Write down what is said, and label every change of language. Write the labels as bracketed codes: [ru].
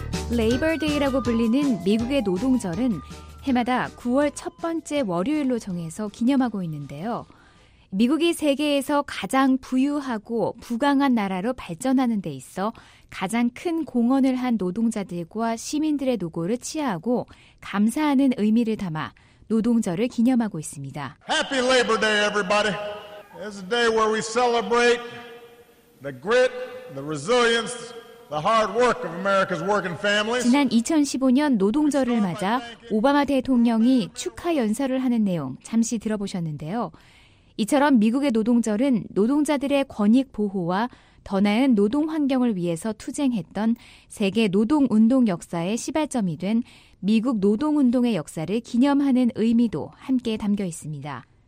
[ko] 레이버 데이라고 불리는 미국의 노동절은 해마다 9월 첫 번째 월요일로 정해서 기념하고 있는데요. 미국이 세계에서 가장 부유하고 부강한 나라로 발전하는 데 있어 가장 큰 공헌을 한 노동자들과 시민들의 노고를 치하하고 감사하는 의미를 담아 노동절을 기념하고 있습니다. [en] Happy Labor Day, everybody. It's a day where we celebrate the grit, the resilience, the hard work of America's working families. [ko] 지난 2015년 노동절을 맞아 오바마 대통령이 축하 연설을 하는 내용 잠시 들어보셨는데요. 이처럼 미국의 노동절은 노동자들의 권익 보호와 더 나은 노동 환경을 위해서 투쟁했던 세계 노동운동 역사의 시발점이 된 미국 노동운동의 역사를 기념하는 의미도 함께 담겨 있습니다.